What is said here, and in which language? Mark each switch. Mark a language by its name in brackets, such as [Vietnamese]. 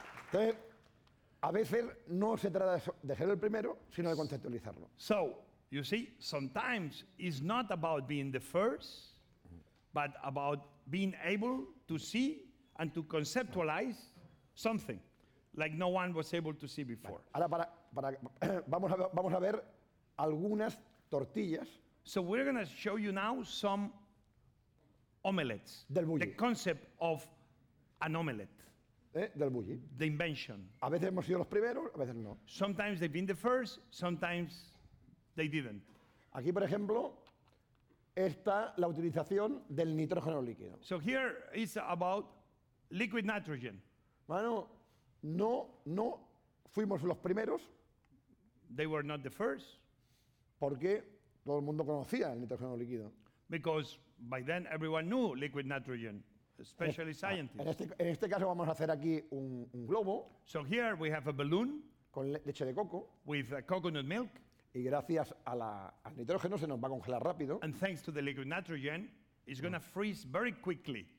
[Spanish] Entonces, a veces no se trata de ser el primero, sino de conceptualizarlo. [English] So, you see, sometimes it's not about being the first, but about being able to see and to conceptualize something like no one was able to see before. [Spanish] Ahora para vamos a ver algunas tortillas. [English] So we're going to show you now some omelets. [Spanish] Del bulli. [English] The concept of an omelet. [Spanish] Del bulli. [English] The invention. [Spanish] A veces hemos sido los primeros, a veces no. [English] Sometimes they've been the first, sometimes they didn't. [Spanish] Aquí, por ejemplo, está la utilización del nitrógeno líquido. [English] So here is about liquid nitrogen. [Spanish] Bueno, no fuimos los primeros. [English] They were not the first. [Spanish] Porque todo el mundo conocía el nitrógeno líquido. [English] Because by then everyone knew liquid nitrogen, especially scientists. [Spanish] En este caso vamos a hacer aquí un globo. [English] So here we have a balloon. [Spanish] Con leche de coco. [English] With coconut milk. [Spanish] Y gracias al nitrógeno se nos va a congelar rápido. [English] And thanks to the liquid nitrogen, it's going to freeze very quickly.